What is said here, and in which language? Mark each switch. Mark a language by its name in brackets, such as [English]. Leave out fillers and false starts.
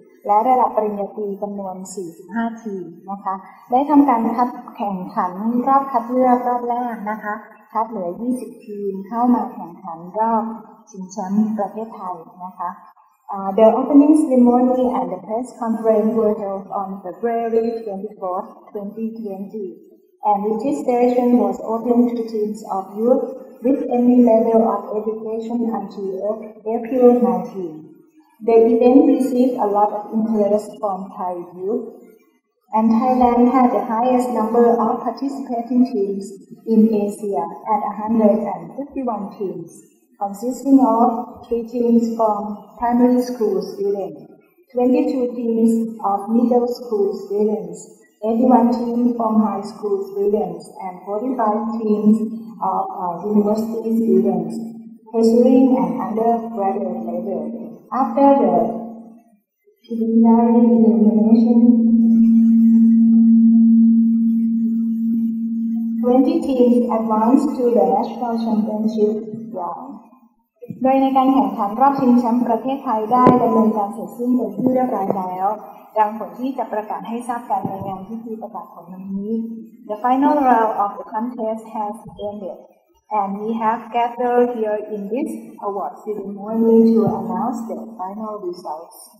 [Thai] และระดับปริญญาตรีจำนวน45ทีมนะคะได้ทำการคัดแข่งขันรอบคัดเลือกรอบแรกนะคะคัดเหลือ20ทีมเข้ามาแข่งขันรอบชิงแชมป์ประเทศไทยนะคะ [English] The opening ceremony and the press conference were held on February 24th, 2020, and registration was open to teams of youth with any level of education until April 19. The event received a lot of interest from Thai youth, and Thailand had the highest number of participating teams in Asia at 151 teams. Consisting of 3 teams from primary school students, 22 teams of middle school students, 81 teams from high school students, and 45 teams of university students, pursuing an undergraduate level. After the preliminary elimination, 20 teams advanced to the national championship round. [Thai] โดยในการแข่งขันรอบชิงแชมป์ประเทศไทยได้ดำเนินการเสร็จสิ้นโดยที่เรียบร้อยแล้วดังผลที่จะประกาศให้ทราบกันในงานพิธีประกาศผลนี้ [English] The final round of the contest has ended and we have gathered here in this award ceremony to announce the final results